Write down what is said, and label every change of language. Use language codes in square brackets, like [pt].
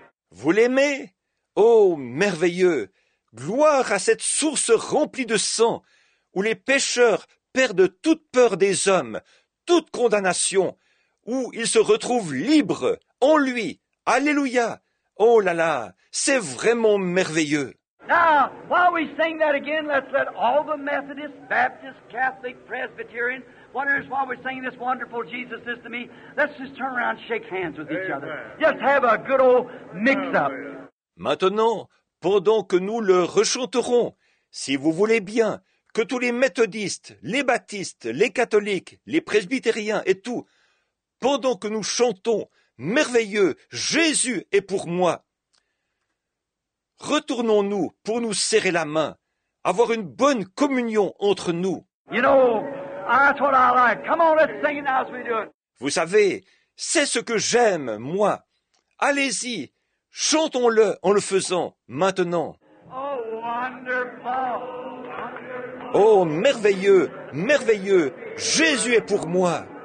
[fr] Vous l'aimez? Oh, merveilleux! Gloire à cette source remplie de sang, où les pécheurs perdent toute peur des hommes, toute condamnation, où ils se retrouvent libres en lui. Alléluia! Oh là là, c'est vraiment merveilleux. [en] Now, while we sing that again, let's let all the Methodists, Baptists, Catholics, Presbyterians, whatever is while we're singing this wonderful Jesus is to me, let's just turn around and shake hands with each other. Just have a good old mix-up. [fr] Maintenant, pendant que nous le rechanterons, si vous voulez bien, que tous les Méthodistes, les Baptistes, les Catholiques, les Presbytériens et tout, pendant que nous chantons, merveilleux, Jésus est pour moi. Retournons-nous pour nous serrer la main, avoir une bonne communion entre nous. [en] You know, that's what I like. Come on, let's sing it now as we do it. [fr] Vous savez, c'est ce que j'aime, moi. Allez-y, chantons-le en le faisant maintenant. [en] Oh, wonderful. [fr] Oh, merveilleux, merveilleux, Jésus est pour moi.